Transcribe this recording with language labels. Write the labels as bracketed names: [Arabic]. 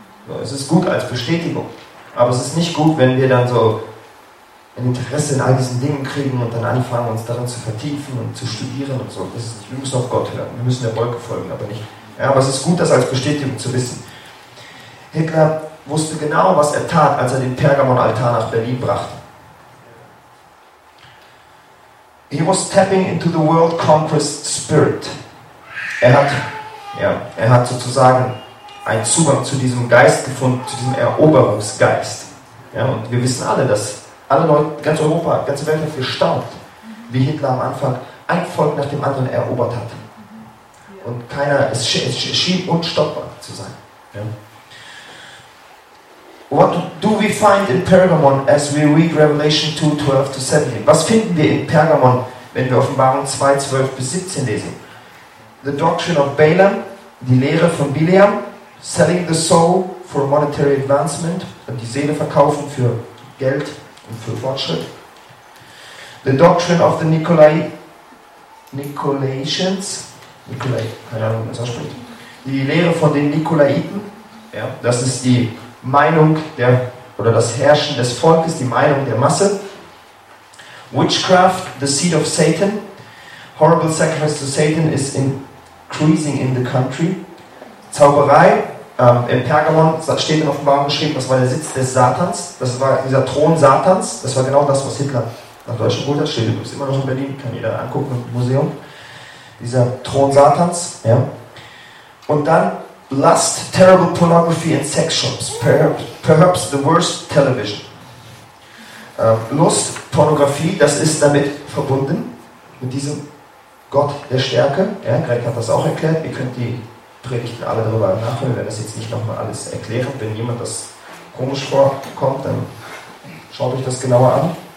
[German] So, es ist gut als Bestätigung, aber es ist nicht gut, wenn wir dann so ein Interesse in all diesen Dingen kriegen und dann anfangen, uns darin zu vertiefen und zu studieren und so. Wir müssen auf Gott hören, wir müssen der Wolke folgen, aber nicht. Ja, aber es ist gut, das als Bestätigung zu wissen. Hitler wusste genau, was er tat, als er den Pergamon-Altar nach Berlin brachte. [English] He was tapping into the world conquest spirit. [German] Er hat sozusagen einen Zugang zu diesem Geist gefunden, zu diesem Eroberungsgeist. Ja, und wir wissen alle, dass alle Leute, ganz Europa, ganze Welt hat gestaunt, wie Hitler am Anfang ein Volk nach dem anderen erobert hat. Und keiner, es schien unstoppbar zu sein. Ja. [English] What do we find in Pergamon as we read Revelation 2, 12 to 17? [German] Was finden wir in Pergamon, wenn wir Offenbarung 2, 12 bis 17 lesen? [English] The doctrine of Balaam, [German] die Lehre von Bileam, [English] selling the soul for monetary advancement, [German] und die Seele verkaufen für Geld, für Fortschritt. [English] The doctrine of the Nicolaitans. [German] Nikolai, keine Ahnung, wie man es ausspricht. Die Lehre von den Nikolaiten. Ja, das ist die Meinung der oder das Herrschen des Volkes, die Meinung der Masse. [English] Witchcraft, the seed of Satan, horrible sacrifice to Satan is increasing in the country. [German] Zauberei, im Pergamon steht in Offenbarung geschrieben, das war der Sitz des Satans, das war dieser Thron Satans, das war genau das, was Hitler nach Deutschland geholt hat, steht übrigens immer noch in Berlin, kann jeder angucken im Museum, dieser Thron Satans, ja. Und dann Lust, [English] terrible pornography and sex shops, perhaps the worst television. [German] Lust, Pornografie, das ist damit verbunden, mit diesem Gott der Stärke. Ja, Greg hat das auch erklärt, ihr könnt die Predigten alle darüber nachhören, wir werden das jetzt nicht nochmal alles erklären. Wenn jemand das komisch vorkommt, dann schaut euch das genauer an.